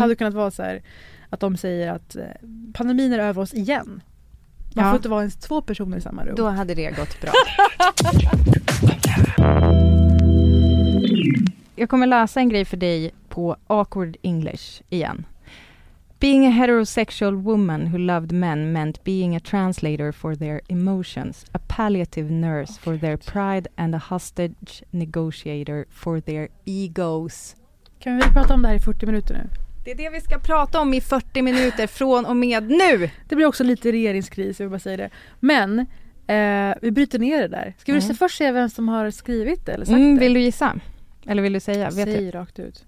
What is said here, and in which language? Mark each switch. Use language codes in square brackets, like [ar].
[sv] Hade du kunnat vara så här att de säger att pandemin är över oss igen? Man får inte vara ens två personer i samma rum. Då hade det gått bra. Jag kommer läsa en grej för dig på awkward English igen. [en] Being a heterosexual woman who loved men meant being a translator for their emotions, a palliative nurse for their pride and a hostage negotiator for their egos. [sv] Kan vi prata om det här i 40 minuter nu? Det är det vi ska prata om i 40 minuter från och med nu. Det blir också lite regeringskris, jag vill bara säga det. Men vi bryter ner det där. Ska vi först se vem som har skrivit det eller sagt det? Vill du gissa? Eller vill du säga? Säg rakt ut.